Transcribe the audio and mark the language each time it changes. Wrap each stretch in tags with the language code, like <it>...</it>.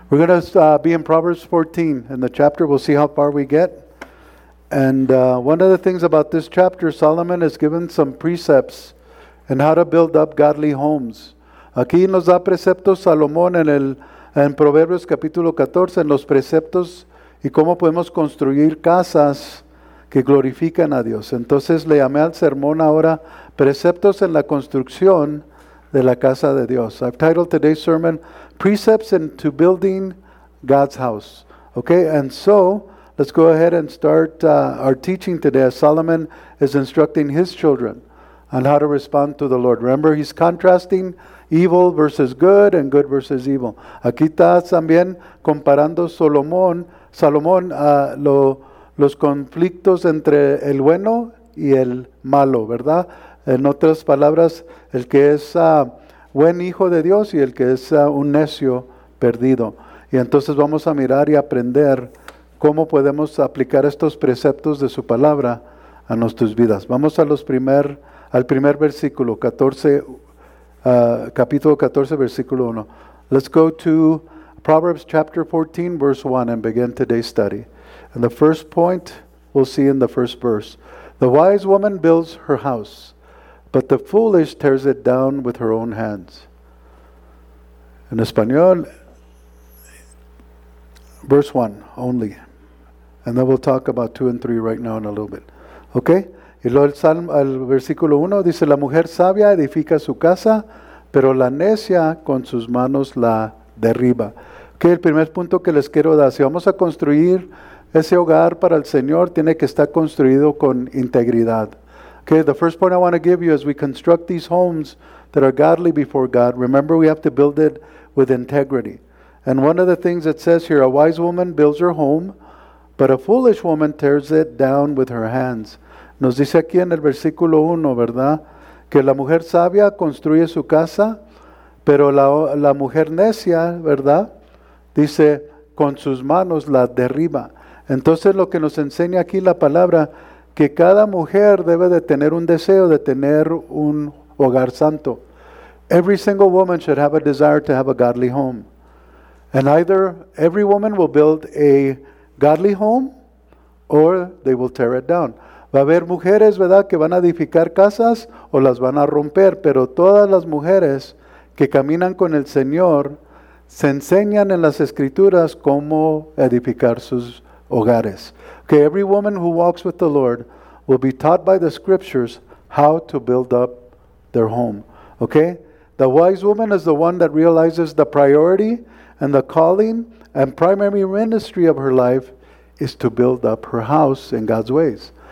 <en>We're going to be in Proverbs 14 in the chapter. We'll see how far we get. And one of the things about this chapter, Solomon has given some precepts in how to build up godly homes.</en> <es>Aquí nos da preceptos Salomón en Proverbios capítulo 14, en los preceptos y cómo podemos construir casas que glorifican a Dios. Entonces le llamé al sermón ahora, Preceptos en la Construcción de la Casa de Dios.</es> <en>I've titled today's sermon, Precepts into Building God's House. Okay, and so, let's go ahead and start our teaching today as Solomon is instructing his children on how to respond to the Lord. Remember, he's contrasting evil versus good and good versus evil.</en> <es>Aquí está también comparando Salomón los conflictos entre el bueno y el malo, ¿verdad? En otras palabras, el que es buen hijo de Dios y el que es un necio perdido. Y entonces vamos a mirar y aprender cómo podemos aplicar estos preceptos de su palabra a nuestras vidas. Vamos a al primer versículo, capítulo 14, versículo 1.</es> <en>Let's go to Proverbs chapter 14, verse 1 and begin today's study. And the first point we'll see in the first verse. The wise woman builds her house, but the foolish tears it down with her own hands.</en> <es>En español,</es> <en>verse 1 only. And then we'll talk about 2 and 3 right now in a little bit. Okay?</en> <es>Y luego el versículo 1 dice, la mujer sabia edifica su casa, pero la necia con sus manos la derriba. Okay, el primer punto que les quiero dar, si vamos a construir ese hogar para el Señor, tiene que estar construido con integridad.</es> <en>Okay, the first point I want to give you is we construct these homes that are godly before God. Remember, we have to build it with integrity. And one of the things it says here, a wise woman builds her home, but a foolish woman tears it down with her hands.</en> <es>Nos dice aquí en el versículo 1, ¿verdad? Que la mujer sabia construye su casa, pero la mujer necia, ¿verdad? Dice, con sus manos la derriba. Entonces, lo que nos enseña aquí la palabra, que cada mujer debe de tener un deseo de tener un hogar santo.</es> <en>Every single woman should have a desire to have a godly home. And either every woman will build a godly home or they will tear it down.</en> <es>Va a haber mujeres, ¿verdad?, que van a edificar casas o las van a romper, pero todas las mujeres que caminan con el Señor se enseñan en las Escrituras cómo edificar sus hogares.</es> <en>Okay, every woman who walks with the Lord will be taught by the scriptures how to build up their home. Okay? The wise woman is the one that realizes the priority and the calling and primary ministry of her life is to build up her house in God's ways.</en>